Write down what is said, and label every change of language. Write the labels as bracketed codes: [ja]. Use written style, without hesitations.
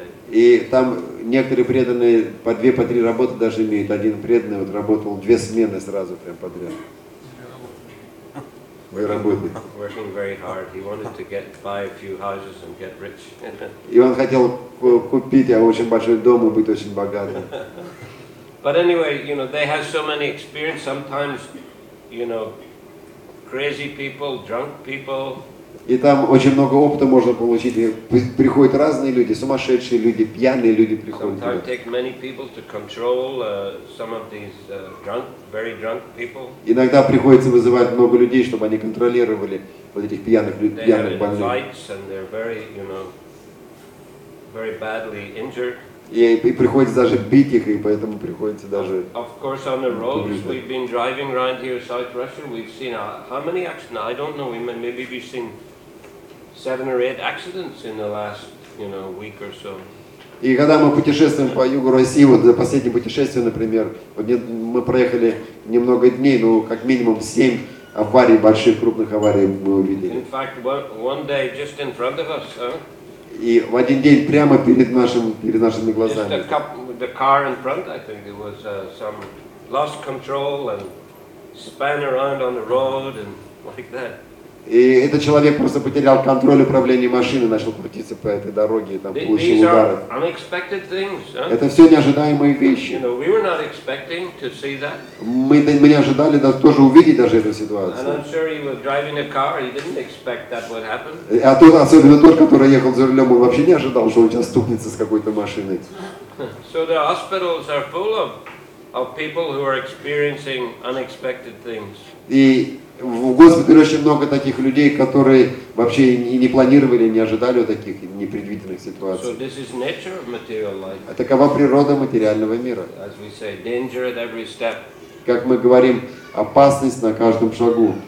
[ru] И там некоторые преданные по две, по три работы даже имеют. Один преданный вот работал две смены сразу прям подряд. Мой работник. [en] Working very hard. He wanted to get buy a few houses and get rich. [ru] И он хотел купить очень большой дом и быть очень богатым. [en] But anyway, you know, they have so many experience. Sometimes, you know, crazy people, drunk people. [ru] И там очень много опыта можно получить. Приходят разные люди, сумасшедшие люди, пьяные люди приходят. [en] Sometimes take many people to control some of these drunk, very drunk people. [ru] Иногда приходится вызывать много людей, чтобы они контролировали вот этих пьяных людей, пьяных больных. [en] They have fights and they're very, you know, very badly injured. [ru] И приходится даже бить их, и поэтому приходится даже. [en] Of course, on the roads we've been driving around here, South Russia, we've seen how many accidents? I don't know. Maybe we've seen 7 or 8 accidents in the last, you know, week or so. [ru] И когда мы путешествуем по югу России, вот за последнее путешествие, например, вот мы проехали немного дней, но как минимум 7 аварий, больших крупных аварий мы увидели. [en] In fact, one day just in front of us. [ru] И в один день прямо перед нашими глазами. [en] Just a couple, the car in front, I think it was some lost control and span around on the road and like that. [ru] И этот человек просто потерял контроль управления машиной, начал крутиться по этой дороге и там получил удары. [en] These are unexpected things, huh? [ru] Это все неожидаемые вещи. [en] You know, we were not expecting to see that. [ru] Мы не ожидали тоже увидеть даже эту ситуацию. [en] And I'm sure he was driving a car, he didn't expect that would happen. [ru] А тот, особенно тот, который ехал за рулем, он вообще не ожидал, что он сейчас стукнется с какой-то машиной. [en] So the hospitals are full of people who are experiencing unexpected things. [ru] И в госпитале очень много таких людей, которые вообще не планировали, не ожидали вот таких непредвиденных ситуаций. [en] So this is nature of material life. [ru] А такова природа материального мира. [en] As we say, danger at every step. [ru] Как мы говорим, опасность на каждом шагу.